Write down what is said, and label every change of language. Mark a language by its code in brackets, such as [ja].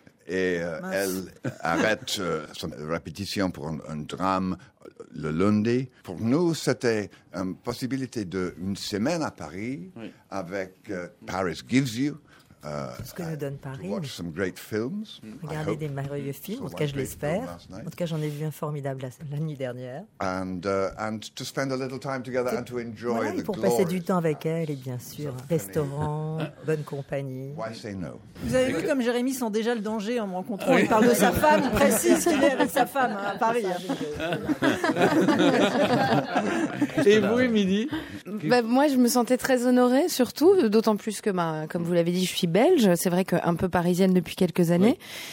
[fr] Et elle arrête son répétition pour un drame le lundi. Pour nous, c'était une possibilité d'une semaine à Paris avec Paris Gives You. Tout ce que nous donne Paris. [en] Watch some great films. [fr] Regarder des merveilleux films, en tout cas, je l'espère. En tout cas, j'en ai vu un formidable la nuit dernière. [en] And to spend a little time together and to enjoy the glory. [fr] Pour passer du temps avec elle, et bien sûr, restaurant, bonne compagnie. [en] Why say no? [fr] Vous avez vu comme Jérémy sent déjà le danger en me rencontrant. Il parle de sa femme, précise qu'il est avec sa femme à Paris. Et vous, Émilie? Moi, je me sentais très honorée, surtout, d'autant plus que, comme vous l'avez dit, je suis belge, c'est vrai qu'un peu parisienne depuis quelques années. Oui.